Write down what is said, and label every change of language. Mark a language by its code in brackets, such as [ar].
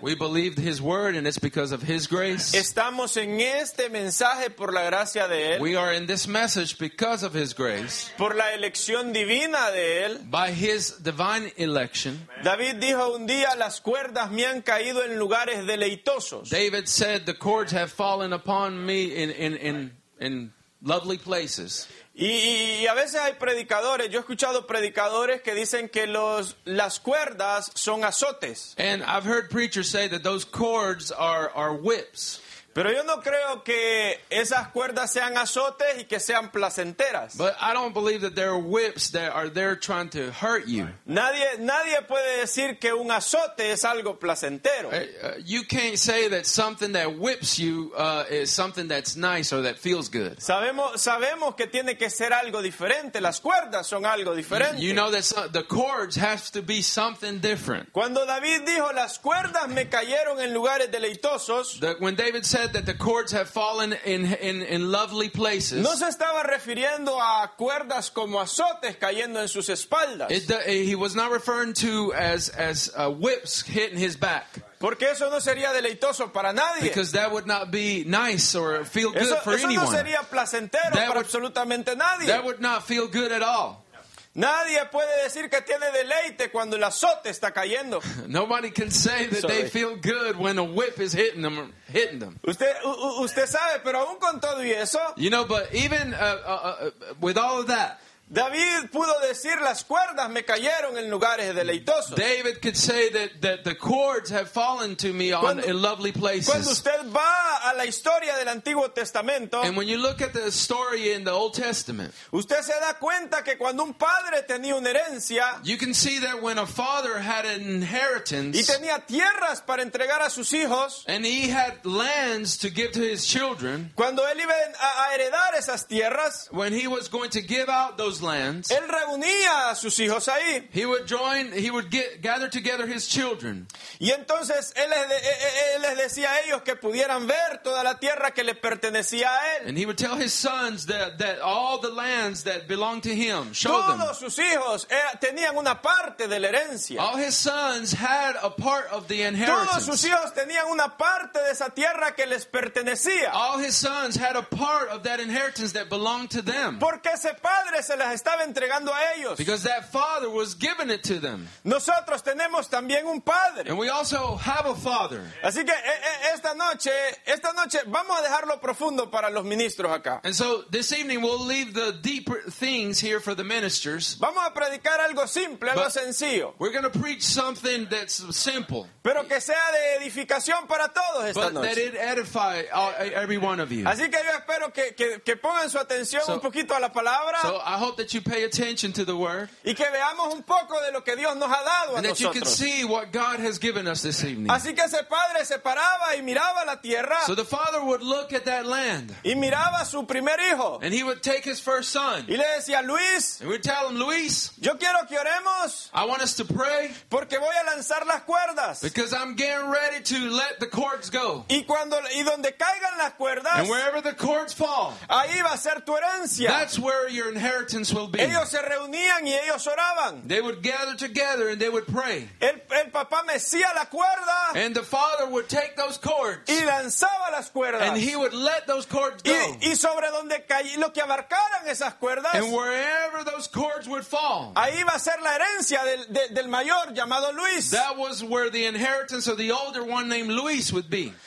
[en] We believed his word and it's because of his grace. [es] Estamos en este mensaje por la gracia de él. [en] We are in this message because of his grace. [es] Por la elección divina de él. [en] By his divine election. [es] David dijo un día, las cuerdas me han caído en lugares deleitosos. [en] David said, the cords have fallen upon me in lovely places. [es] Y a veces hay predicadores, yo he escuchado predicadores que dicen que las cuerdas son azotes. [en] And I've heard preachers say that those cords are whips. [es] Pero yo no creo que esas cuerdas sean azotes y que sean placenteras. [en] But I don't believe that there are whips that are there trying to hurt you. [es] Nadie puede decir que un azote es algo placentero. [en] You can't say that something that whips you is something that's nice or that feels good. [es] Sabemos que tiene que ser algo diferente. Las cuerdas son algo diferente. [en] You know that the cords have to be something different. [es] Cuando David dijo, las cuerdas me cayeron en lugares deleitosos. [en] When David said that the cords have fallen in lovely places. [es] No se estaba refiriendo a cuerdas como azotes cayendo en sus espaldas. [en] He was not referring to as whips hitting his back. [es] Porque eso no sería deleitoso para nadie. [en] Because that would not be nice or feel good [es] eso, [en] for [es] eso [en] anyone. [es] Eso no sería placentero that para would, absolutamente nadie. [en] That would not feel good at all. [es] Nadie puede decir que tiene deleite cuando el azote está cayendo. [en] Nobody can say that they feel good when a whip is hitting them. [es] Usted sabe, pero aún con todo y eso. [en] You know, but even with all of that. [es] David pudo decir, las cuerdas me cayeron en lugares deleitosos. [en] David could say that the cords have fallen to me in lovely places. [es] Cuando usted va a la historia del Antiguo Testamento, [en] and when you look at the story in the Old Testament, [es] usted se da cuenta que cuando un padre tenía una herencia, [en] you can see that when a father had an inheritance, [es] y tenía tierras para entregar a sus hijos, [en] and he had lands to give to his children, [es] cuando él iba a heredar esas tierras, [en] when he was going to give out those lands, [es] él reunía a sus hijos ahí. [en] He would gather together his children. [es] Y entonces él les decía a ellos que pudieran ver toda la tierra que le pertenecía a él. [en] And he would tell his sons that all the lands that belonged to him, show [es] todos [en] them. [es] Todos sus hijos tenían una parte de la herencia. [en] All his sons had a part of the inheritance. [es] Todos sus hijos tenían una parte de esa tierra que les pertenecía. [en] All his sons had a part of that inheritance that belonged to them. [es] Porque ese padre se las estaba entregando a ellos. [en] Because that father was giving it to them. [es] Nosotros tenemos también un padre. [en] And we also have a father. [es] Así que esta noche vamos a dejarlo profundo para los ministros acá. [en] And so this evening we'll leave the deeper things here for the ministers. [es] Vamos a predicar algo simple, algo sencillo. [en] We're going to preach something that's simple. [es] Pero que sea de edificación para todos esta [en] but [es] noche. [en] That it edify every one of you. [es] Así que yo espero que pongan su atención un poquito a la palabra. [en] So I hope that you pay attention to the word. [es] Y que veamos un poco de lo que Dios nos ha dado a nosotros. [en] And that you can see what God has given us this evening. [es] Así que ese padre se paraba y miraba la tierra. [en] So the father would look at that land. [es] Y miraba a su primer hijo. [en] And he would take his first son. [es] Y le decía, Luis. [en] And we'd tell him, Luis. [es] Yo quiero que oremos. [en] I want us to pray. [es] Porque voy a lanzar las cuerdas. [en] Because I'm getting ready to let the cords go. [es] Y donde caigan las cuerdas. [en] And wherever the cords fall. [es] Ahí va a ser tu herencia. [en] That's where your inheritance will be. [es] Ellos se reunían y ellos oraban. [en] They would gather together and they would pray. [es] El papá mecía la cuerda. [en] And the father would take those cords. [es] Y lanzaba las cuerdas. [en] And he would let those cords go. [es] Y sobre donde lo que abarcaran esas cuerdas. [en] And wherever those cords would fall. [es] Ahí va a ser la herencia del mayor llamado Luis. [en] That was where the inheritance of the older one named Luis would be.